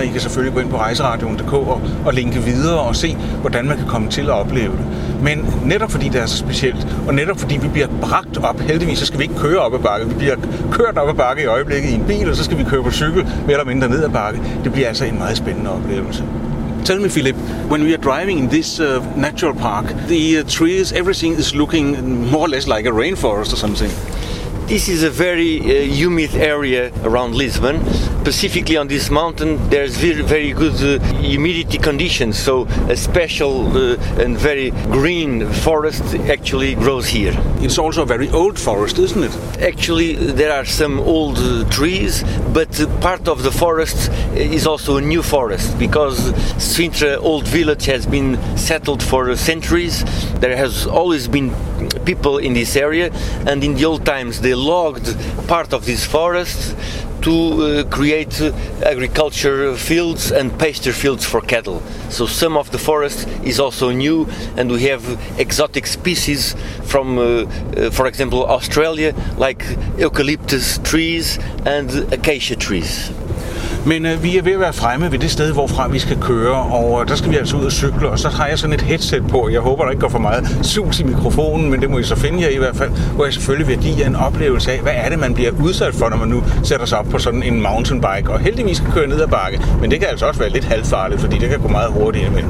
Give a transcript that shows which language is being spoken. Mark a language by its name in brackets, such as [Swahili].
[Danish] I kan selvfølgelig gå ind på rejseradioen.dk og linke videre og se, hvordan man kan komme til at opleve det. Men netop fordi det er så specielt, og netop fordi vi bliver bragt op, heldigvis så skal vi ikke køre op ad bakke, vi bliver kørt op ad bakke i øjeblikket i en bil, og så skal vi køre på cykel mere eller mindre ned ad bakke. Det bliver altså en meget spændende oplevelse. [English] Tell me, Philip, when we are driving in this natural park, the trees, everything is looking more or less like a rainforest or something. This is a very humid area around Lisbon. Specifically on this mountain, there's very, very good humidity conditions, so a special and very green forest actually grows here. It's also a very old forest, isn't it? Actually, there are some old trees, but part of the forest is also a new forest, because Sintra old village has been settled for centuries. There has always been people in this area, and in the old times they logged part of this forest to create agriculture fields and pasture fields for cattle. So some of the forest is also new, and we have exotic species from, for example, Australia, like eucalyptus trees and acacia trees. [Danish] Men vi er ved at være fremme ved det sted, hvorfra vi skal køre, og der skal vi altså ud og cykle, og så har jeg sådan et headset på. Jeg håber, der ikke går for meget sus i mikrofonen, men det må I så finde jer i hvert fald, hvor jeg selvfølgelig vil give jer en oplevelse af, hvad er det, man bliver udsat for, når man nu sætter sig op på sådan en mountainbike, og heldigvis kan køre ned ad bakke, men det kan altså også være lidt halvfarligt, fordi det kan gå meget hurtigt imellem.